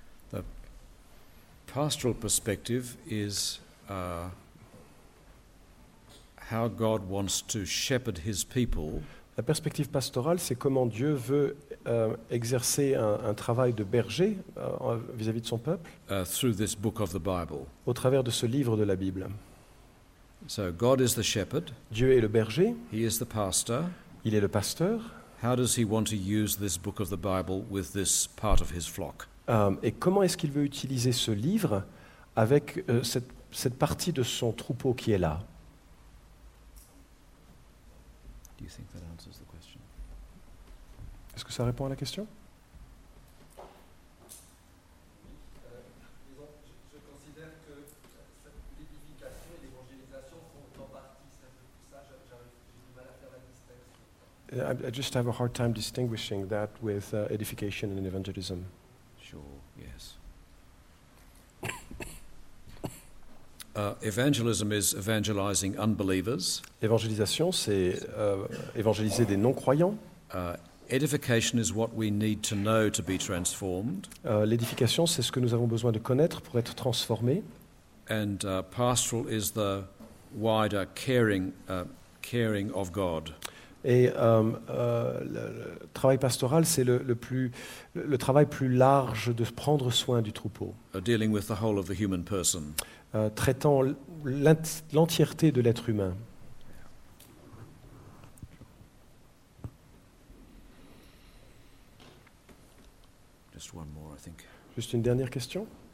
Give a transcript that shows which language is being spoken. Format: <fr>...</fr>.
<en>The pastoral perspective is how God wants to shepherd His people.</en> <fr>La perspective pastorale, c'est comment Dieu veut exercer un travail de berger vis-à-vis de son peuple</fr> <en>through this book of the Bible.</en> <fr>Au travers de ce livre de la Bible.</fr> <en>So God is the shepherd.</en> <fr>Dieu est le berger.</fr> <en>He is the pastor.</en> <fr>Il est le pasteur.</fr> <en>How does he want to use this book of the Bible with this part of his flock?</en> <fr>Et comment est-ce qu'il veut utiliser ce livre avec cette partie de son troupeau qui est là?</fr> <en>Do you think that answers the question?</en> <fr>Est-ce que ça répond à la question? Je considère que l'édification et l'évangélisation font en partie ça. J'ai du mal à faire la distinction.</fr> <en>I just have a hard time distinguishing that with edification and evangelism. Sure, yes. Evangelism is evangelizing unbelievers.</en> <fr>Évangélisation, c'est évangéliser des non-croyants.</fr> <en>Edification is what we need to know to be transformed.</en> <fr>L'édification, c'est ce que nous avons besoin de connaître pour être transformés.</fr> <en>And pastoral is the wider caring of God.</en> <fr>Et le travail pastoral, c'est le travail plus large de prendre soin du troupeau.</fr> <en>Dealing with the whole of the human person.</en> <fr>Traitant l'entièreté de l'être humain.</fr> <en>Just one more, I think.</en> <fr>Juste une dernière question.</fr>